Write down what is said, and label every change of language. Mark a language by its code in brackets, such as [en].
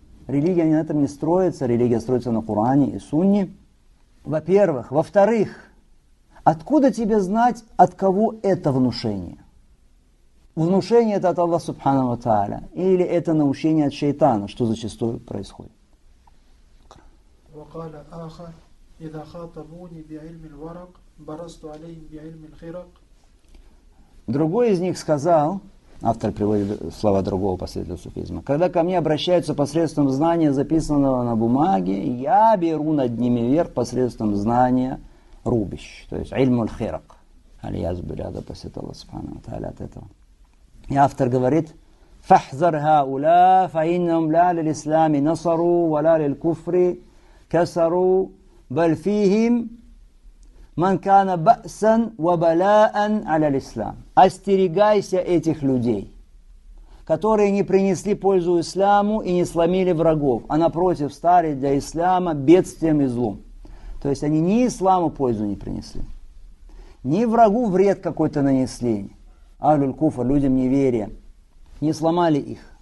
[ru] Религия на этом не строится. Религия строится на Коране и Сунне. Во-первых. Во-вторых, откуда тебе знать, от кого это внушение? Внушение это от Аллаха субхана ва тааля. Или это научение от шайтана, что зачастую происходит. [ar] وقال آخر إذا خاطبوني بعلم الورق برزت عليهم بعلم الخرق. [ru] Другой из них сказал, автор приводит слова другого последователя суфизма: когда ко мне обращаются посредством знания, записанного на бумаге, я беру над ними верх посредством знания рубищ, то есть علم الخرق. Алиязу биляда посетовал спанатали от этого. И автор говорит: [ar] فاحذر هؤلاء فإنهم لا للإسلام نصروا ولا للكفر كسروا بل فيهم من كان بأسا وبلاء على الإسلام. [ru] Остерегайся этих людей, которые не принесли пользу исламу и не сломили врагов, а напротив стали для ислама бедствием и злом. То есть они ни исламу пользу не принесли, ни врагу вред какой-то нанесли, аль-куфа, людям неверия, не сломали их.